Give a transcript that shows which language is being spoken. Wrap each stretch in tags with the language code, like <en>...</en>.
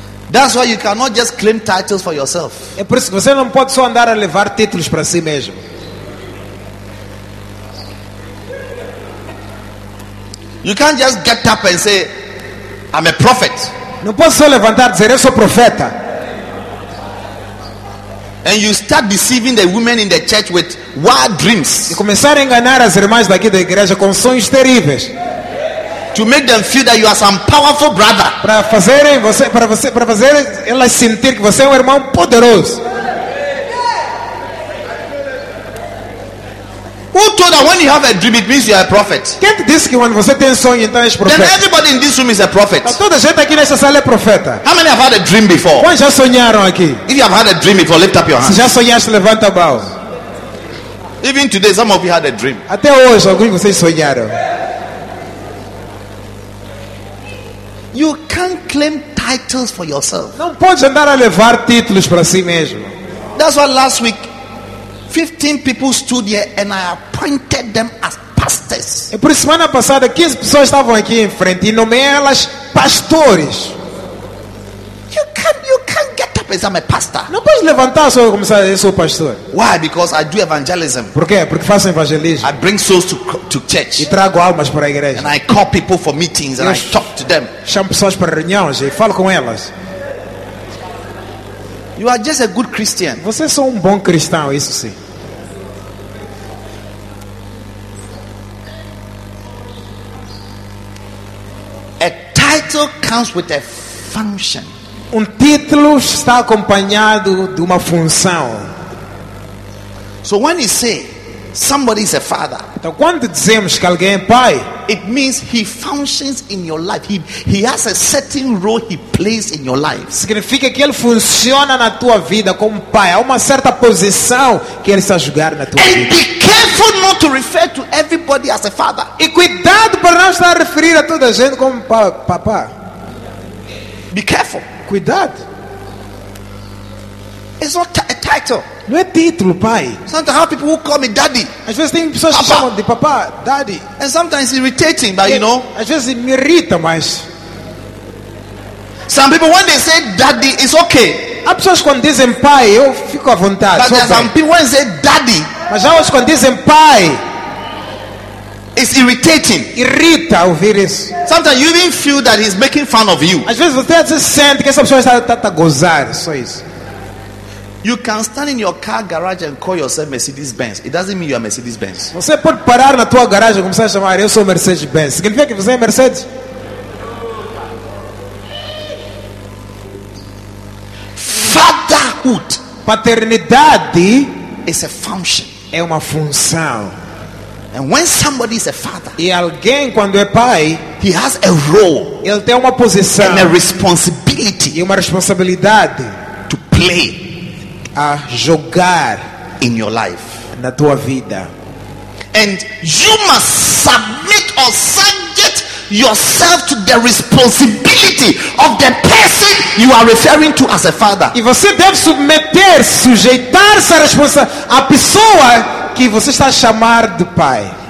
<en>That's why you cannot just claim titles for yourself.</en> <pt>É por isso que você não pode só andar a levar títulos para si mesmo.</pt> <en>You can't just get up and say, I'm a prophet.</en> <pt>Não posso levantar e dizer, eu sou profeta.</pt> <en>And you start deceiving the women in the church with wild dreams.</en> <pt>E começar a enganar as irmãs daqui da igreja com sonhos terríveis.</pt> <en>to make them feel that you are some powerful brother.</en> <pt>Para fazer você, para você, para fazer elas sentir que você é um irmão poderoso.</pt> <en>Who told that when you have a dream it means you are a prophet?</en> <pt>Quem disse que quando você tem sonho então é profeta?</pt> <en>Then everybody in this room is a prophet.</en> <pt>Toda gente aqui nessa sala é profeta.</pt> <en>How many have had a dream before?</en> <pt>Quantos já sonharam aqui?</pt> <en>If you have had a dream before, lift up your hands.</en> <pt>Se já sonhaste, levanta a mão.</pt> <en>Even today, some of you had a dream.</en> <pt>Até hoje, alguns de vocês sonharam.</pt> <en>You can't claim titles for yourself.</en> <pt>Não pode andar a levar títulos para si mesmo.</pt> <en>That's why last week, 15 people stood here and I appointed them as pastors.</en> <pt>E por semana passada, 15 pessoas estavam aqui em frente e nomeei elas pastores.</pt> <en>You can't get up as I'm a pastor.</en> <pt>Não pode levantar só como se eu sou pastor.</pt> <en>Why? Because I do evangelism.</en> <pt>Por quê? Porque faço evangelismo.</pt> <en>I bring souls to church.</en> <pt>E trago almas para a igreja.</pt> <en>And I call people for meetings and I talk to them.</en> <pt>Chamo pessoas para reuniões e falo com elas.</pt> <en>You are just a good Christian.</en> <pt>Você é só um bom cristão, isso sim.</pt> <en>A title comes with a function.</en> <pt>Um título está acompanhado de uma função.</pt> <en>So when you say somebody is a father,</en> <pt>então quando dizemos que alguém é pai,</pt> <en>it means he functions in your life. He has a certain role he plays in your life.</en> <pt>Significa que ele funciona na tua vida como pai. Há uma certa posição que ele está a jogar na tua</pt> <en>and</en> <pt>vida.</pt> <en>Be careful not to refer to everybody as a father.</en> <pt>E cuidado para não estar a referir a toda a gente como papá.</pt> <en>Be careful.</en> <pt>Cuidado.</pt> <en>It's not a title.</en> <pt>Não é título, pai.</pt> <en>Sometimes how people will call me daddy.</en> <pt>Às vezes tem pessoas que chamam de papá, daddy.</pt> <en>And sometimes it's irritating, but you know.</en> <pt>Às vezes me irrita, mas.</pt> <en>Some people when they say daddy, it's okay.</en> <pt>Há pessoas quando dizem pai, eu fico à vontade.</pt> <en>But there are some people when they say daddy.</en> <pt>Mas há outros quando dizem pai.</pt> <en>It's irritating.</en> <pt>Irrita ouvir isso.</pt> <en>Sometimes you even feel that he's making fun of you.</en> <pt>Às vezes você até sente que essa pessoa está a gozar. Só isso.</pt> <en>You can stand in your car garage and call yourself Mercedes Benz. It doesn't mean you are Mercedes Benz.</en> <pt>Você pode parar na tua garagem e começar a chamar eu sou Mercedes Benz. Significa que você é Mercedes?</pt> <en>Fatherhood.</en> <pt>Paternidade.</pt> <en>Is a function.</en> <pt>É uma função.</pt> <en>And when somebody is a father,</en> <pt>e alguém quando é pai,</pt> <en>he has a role,</en> <pt>ele tem uma posição,</pt> <en>and a responsibility,</en> <pt>e uma responsabilidade,</pt> <en>to play,</en> <pt>a jogar,</pt> <en>in your life,</en> <pt>na tua vida,</pt> <en>and you must submit or subject yourself to the responsibility of the person you are referring to as a father.</en> <pt>E você deve submeter, sujeitar-se à responsabilidade, à pessoa que você está a chamar de pai.</pt>